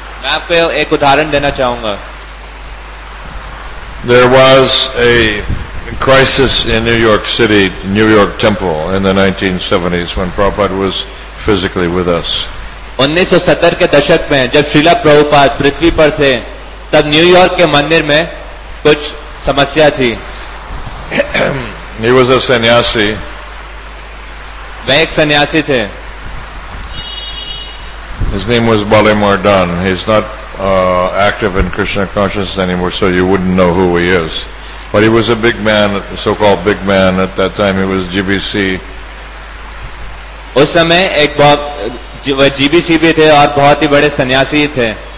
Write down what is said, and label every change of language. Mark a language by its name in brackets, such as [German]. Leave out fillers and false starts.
[Hindi] मैं आपको एक उदाहरण देना चाहूंगा. [English] There was a crisis in New York City, New York Temple, in the 1970s when Prabhupada was physically with us. [Hindi] 1970 के दशक में जब श्रीला प्रभुपाद पृथ्वी पर थे तब न्यूयॉर्क के मंदिर में कुछ समस्या थी. [English] He was a sannyasi. [Hindi] वह एक सन्यासी थे. [English] His name was Bali Mardan. He's not active in Krishna consciousness anymore, so you wouldn't know who he is. But he was a big man, the so-called big man at that time. He was GBC. [Hindi] उस समय एक बहुत वह GBC भी थे और बहुत ही बड़े सन्यासी थे.